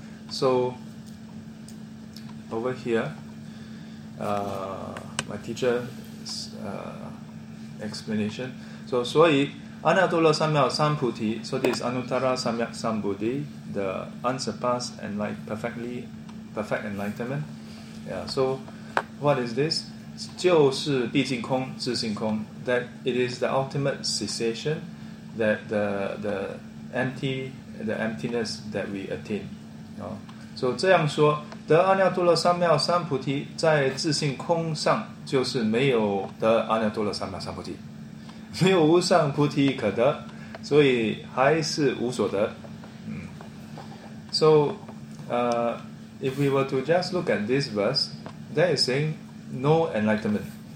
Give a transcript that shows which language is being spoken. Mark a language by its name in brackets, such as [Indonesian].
[English] So over here, my teacher's explanation. [Chinese] So, 阿耨多罗三藐三菩提. [English] So this is Anuttara Sammyaksambuddhi, the unsurpassed and perfect enlightenment. Yeah. So, what is this? [Chinese] 就是毕竟空自性空, [English] that it is the ultimate cessation, that the emptiness that we attain. [Chinese] So 这样说, 得阿耨多罗三藐三菩提在自性空上就是没有得阿耨多罼三藐三菩提, 没有无上菩提可得, 所以还是无所得. [English] So if we were to just look at this verse, that is saying no enlightenment.